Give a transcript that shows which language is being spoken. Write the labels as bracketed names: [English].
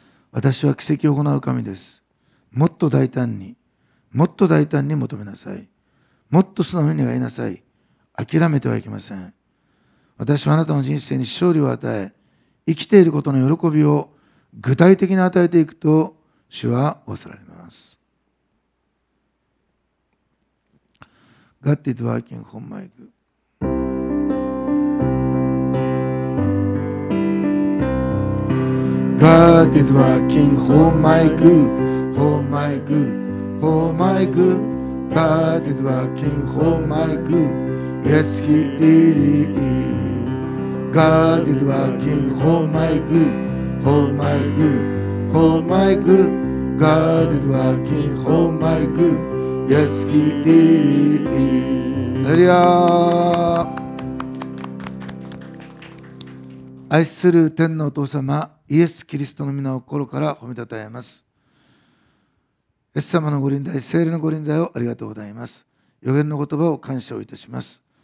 [Japanese] 私は奇跡を行う神です。もっと大胆に、もっと大胆に求めなさい。もっと素直に願いなさい。諦めてはいけません。私はあなたの人生に勝利を与え、生きていることの喜びを具体的に与えていくと主は仰せられます。 [English] God is working from my good。 God is working for my good, for my good, for my good. God is working for my good, yes He is. God is working for my good, for my good, for my good. God is working for my good, yes He is. [Japanese] Hallelujah. 愛する天のお父様、イエス・キリストの御名を心から褒めたたえます。イエス様のご臨在、聖霊のご臨在をありがとうございます。予言の言葉を感謝をいたします。